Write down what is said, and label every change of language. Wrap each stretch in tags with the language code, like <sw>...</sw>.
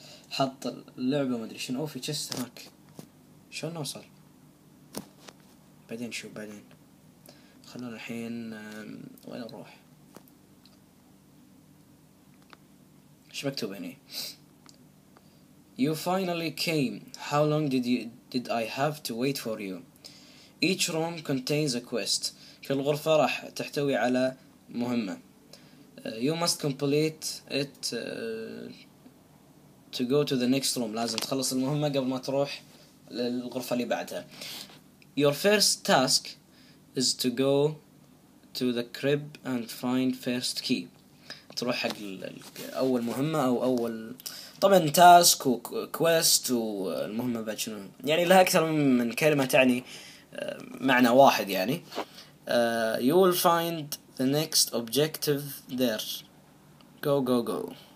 <ar>حط اللعبه ما ادري شنو. اوه في تشست هناك، شلون نوصل؟ بعدين شوف بعدين. خلونا الحين وين نروح؟ ايش مكتوب هنا؟</ar> <en>You finally came. How long did I have to wait for you? Each room contains a quest.</en> <ar>كل غرفة راح تحتوي على مهمة.</ar> <en>You must complete it to go to the next room.</en> <ar>لازم تخلص المهمة قبل ما تروح للغرفة اللي بعدها.</ar> <en>Your first task is to go to the crib and find first key.</en> <ar>تروح حق أول مهمة أو أول طبعا task و quest والمهمة بعد شنو يعني، لها أكثر من كلمة تعني معنى واحد يعني.</ar> <en>You will find the next objective there. Go go go.</en>